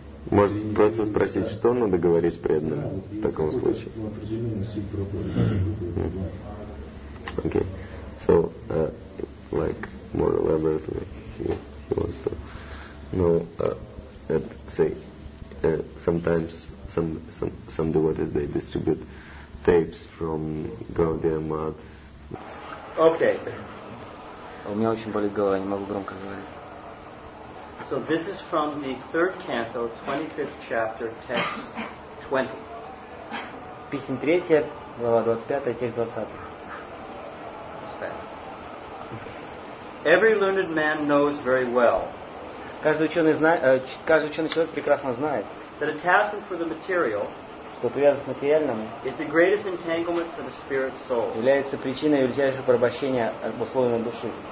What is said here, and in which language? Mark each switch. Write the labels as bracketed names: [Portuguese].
[Russian] Может просто спросить, что надо говорить преданным в таком случае? Определенный стиль проповеди. Окей. [English] So, like, more elaborately, if you want to. No, say, sometimes some devotees, they distribute tapes from Gaudiya Math. Okay. [Russian] У меня очень болит голова, не могу громко говорить. [English] So this is from the third canto, 25th chapter, text 20. [Russian] Песнь третья, глава 25, текст 20. [English] Every learned man knows very well. [Russian] Каждый ученый человек прекрасно знает. [English] That attachment for the material. [Russian] Что привязанность к материальному является причиной величайшего порабощения обусловленной души.